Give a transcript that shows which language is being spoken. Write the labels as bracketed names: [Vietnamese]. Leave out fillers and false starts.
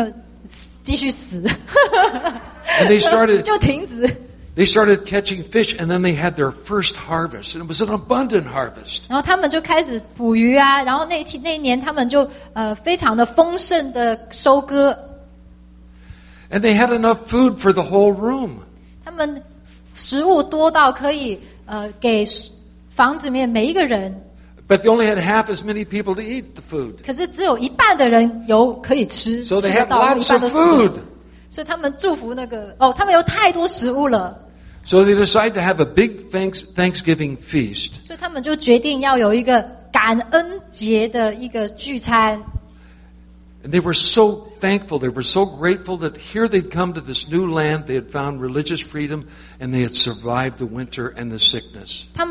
[Chinese] 那后来呢？春天来了，然后就没有人再继续死。And [English] they started [Chinese] 就停止。 [English] They started catching fish, and then they had their first harvest, and it was an abundant harvest. [Chinese] 然后他们就开始捕鱼啊，然后那年他们就非常的丰盛的收割。 [English] And they had enough food for the whole room. [Chinese] 他们食物多到可以给房子里面每一个人。 [English] But they only had half as many people to eat the food. [Chinese] 可是只有一半的人有可以吃, [English] so they had lots of food. [Chinese] 所以他们祝福那个，哦，他们有太多食物了。 [English] So they decided to have a big Thanksgiving feast. [Chinese] 所以他们就决定要有一个感恩节的一个聚餐。 [English] And they were so thankful, they were so grateful that here they'd come to this new land, they had found religious freedom, and they had survived the winter and the sickness.